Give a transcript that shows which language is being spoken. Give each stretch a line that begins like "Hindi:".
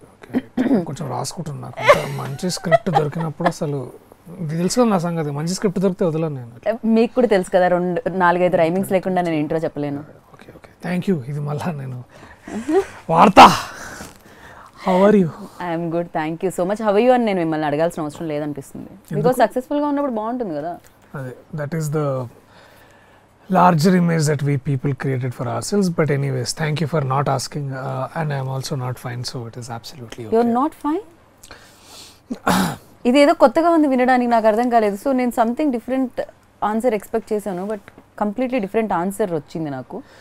Telugu: Okay, కొంచెం రాసుకుంటున్నా. మంచి script దొరికినప్పుడు అసలు తెలుసు కదా నా సంగతి, మంచి స్క్రిప్ట్ దొరికితే వదలను నేను. మీకు కూడా తెలుసు కదా, రెండు నాలుగైదు రైమింగ్స్ లేకుండా నేను ఇంట్రో చెప్పలేను. Okay okay, thank you. ఇది మళ్ళా నేను వార్తా.
English: How are you? I'm good, thank you so much. How you
Telugu: అని నేను మిమ్మల్ని అడగాల్సిన అవసరం లేదనిపిస్తుంది, బికాస్ సక్సెస్ఫుల్గా ఉన్నప్పుడు బాగుంటుంది కదా. అదే,
English: That is the larger image that we people created for ourselves. But anyways, thank you for not asking, and I'm also not fine, so it is absolutely okay. You're not fine?
Telugu: ఇది ఏదో కొత్తగా ఉంది వినడానికి, నాకు అర్థం కాలేదు. So నేను something different answer expect చేశాను, బట్ కంప్లీట్లీ డిఫరెంట్ ఆన్సర్ వచ్చింది నాకు.